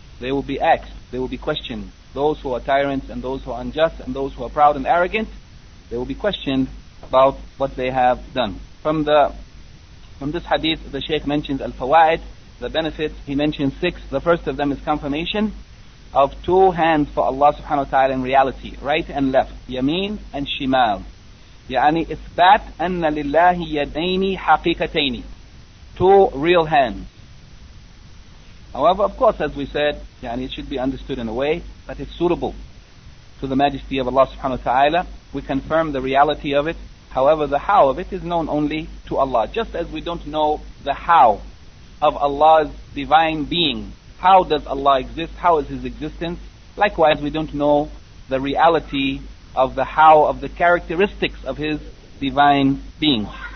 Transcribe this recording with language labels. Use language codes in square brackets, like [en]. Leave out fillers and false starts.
[en] They will be asked, they will be questioned. Those who are tyrants and those who are unjust and those who are proud and arrogant, they will be questioned about what they have done. From this hadith, the Shaykh mentions al-fawa'id, the benefits. He mentions six. The first of them is confirmation of two hands for Allah subhanahu wa ta'ala in reality, right and left, yameen and shimal. [ar] يعني إثبات أن لله يديني حقيقتين, [en] two real hands. However, of course, as we said, يعني it should be understood in a way that it's suitable to the majesty of Allah subhanahu wa ta'ala. We confirm the reality of it. However, the how of it is known only to Allah. Just as we don't know the how of Allah's divine being, how does Allah exist, how is His existence, likewise we don't know the reality of the how of the characteristics of His divine being.